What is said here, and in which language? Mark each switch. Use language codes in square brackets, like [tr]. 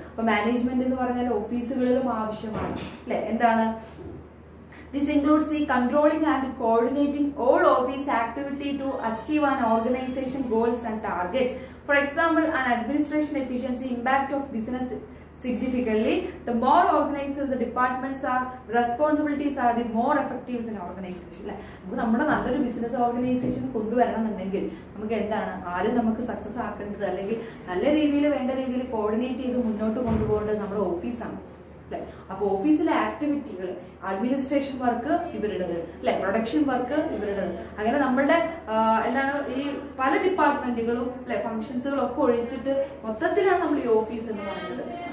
[ml] അപ്പൊ മാനേജ്മെന്റ് എന്ന് പറഞ്ഞാൽ ഓഫീസുകളിലും ആവശ്യമാണ് അല്ലെ. [en] എന്താണ്, this includes the controlling and coordinating all office activity to achieve an organisation goals and target. For example an administration efficiency impact of business significantly. The more organized the departments are, responsibilities are, the more effective is an organization. [ml] അപ്പോൾ നമ്മുടെ നല്ലൊരു business organisation കൊണ്ടുവരണമെന്നുണ്ടെങ്കിൽ നമുക്ക് എന്താണ് ആരും നമുക്ക് success ആക്കേണ്ടത്, അല്ലെങ്കിൽ നല്ല രീതിയിൽ വേണ്ട രീതിയിൽ കോർഡിനേറ്റ് ചെയ്ത് മുന്നോട്ട് കൊണ്ടുപോകേണ്ടത് നമ്മുടെ ഓഫീസാണ് അല്ലെ. അപ്പൊ ഓഫീസിലെ ആക്ടിവിറ്റികൾ, അഡ്മിനിസ്ട്രേഷൻ വർക്ക് ഇവരുടേത് അല്ലെ, പ്രൊഡക്ഷൻ വർക്ക് ഇവരുടേത്, അങ്ങനെ നമ്മളുടെ എന്താണ് ഈ പല ഡിപ്പാർട്ട്മെന്റുകളും അല്ലെ, ഫംഗ്ഷൻസുകളും ഒക്കെ ഒഴിച്ചിട്ട് മൊത്തത്തിലാണ് നമ്മൾ ഈ ഓഫീസ് എന്ന് പറയുന്നത്.